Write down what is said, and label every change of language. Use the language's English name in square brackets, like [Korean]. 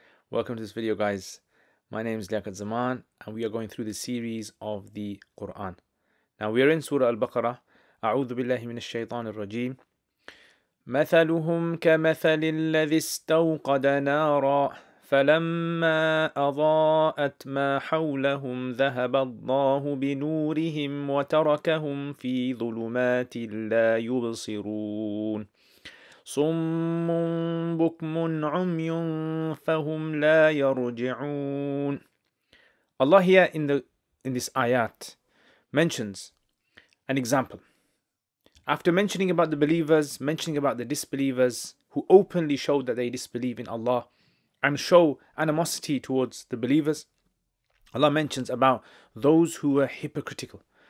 [English] Welcome to this video, guys. My name is Liaquat Zaman, and we are going through the series of the Quran. Now we are in Surah al-Baqarah. [Arabic] A'udhu billahi min ash-shaytan ar-rajim. مثلهم كمثل الذي استوقد نارا فلما أضاءت ما حولهم ذهب الله بنورهم وتركهم في ظلمات لا يبصرون صم بكم عمي فهم لا يرجعون. [English] Allah here in this ayat mentions an example. After mentioning about the believers, mentioning about the disbelievers who openly show that they disbelieve in Allah and show animosity towards the believers, Allah mentions about those who were hypocritical.